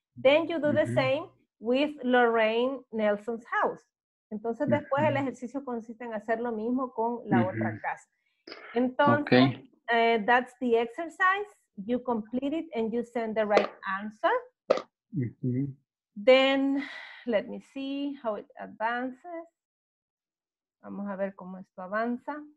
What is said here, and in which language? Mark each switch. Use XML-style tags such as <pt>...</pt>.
<en>Then you do the same with Lorraine Nelson's house.</en> <es>Entonces después el ejercicio consiste en hacer lo mismo con la otra casa.</es> <en>Entonces, that's the exercise. You complete it and you send the right answer. Then, let me see how it advances.</en> <es>Vamos a ver cómo esto avanza.</es>